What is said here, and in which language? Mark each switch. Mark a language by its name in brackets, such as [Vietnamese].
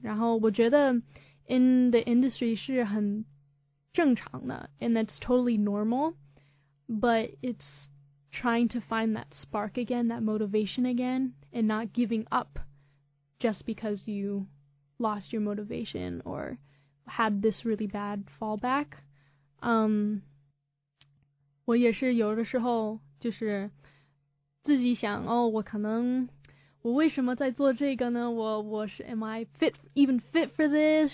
[Chinese] 然后我觉得 [English] in the industry [Chinese] 是很正常的， [English] and that's totally normal, but it's trying to find that spark again, that motivation again, and not giving up just because you lost your motivation or had this really bad fallback. [Chinese] 我也是有的时候就是自己想，哦，我可能我为什么在做这个呢？我是 [English] am I fit even fit for this?